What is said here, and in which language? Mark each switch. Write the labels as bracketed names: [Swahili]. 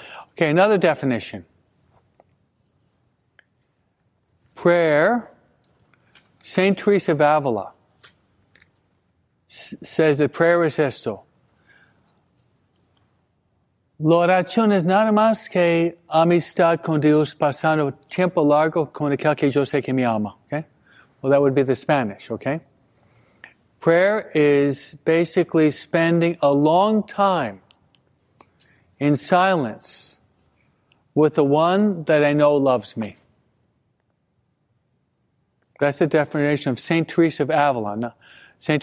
[English] Okay, another definition. Prayer, St. Teresa of Avila says that prayer is esto. [Spanish] L'oración es nada más que amistad con Dios pasando tiempo largo con aquel que yo sé que me ama. [English] Okay? Well, that would be the Spanish, okay? Prayer is basically spending a long time in silence with the one that I know loves me. That's the definition of St. Teresa of Avila. Now, St.